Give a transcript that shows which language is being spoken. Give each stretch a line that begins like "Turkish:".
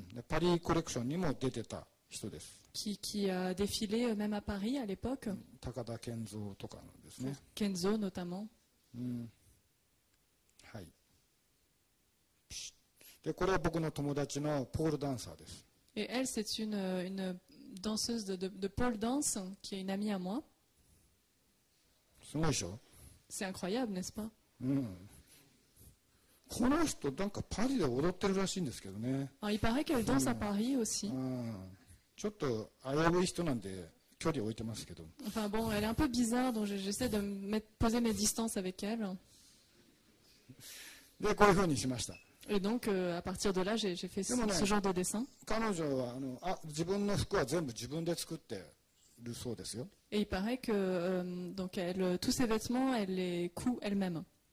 Japanese: Paris Collection にも出てた人です。
French: Qui a défilé même à Paris à l'époque.
Japanese: Takada Kenzo とかですね。
French: Kenzo notamment.
Japanese: はい。で、これは僕の友達のポールダンサーです。
French: Et elle, c'est une danseuse de pole dance qui est une amie à moi.
Japanese: すごいでしょ。
French: C'est incroyable, n'est-ce pas?
Japanese: この人なんかパリで踊ってるらしいんですけどね。
French: Il paraît qu'elle danse à Paris aussi.
Japanese: ちょっと危うい人なんで距離を置いてますけど。
French: Enfin bon, elle est un peu bizarre, donc j'essaie de poser mes distances avec elle.
Japanese: で、こういうふうにしました。
French: Et donc, à partir de là, j'ai fait ce genre de dessin.
Japanese: 彼女は自分の服は全部自分で作って。
French: Et il paraît que donc elle, tous ses vêtements, elle les coud elle-même.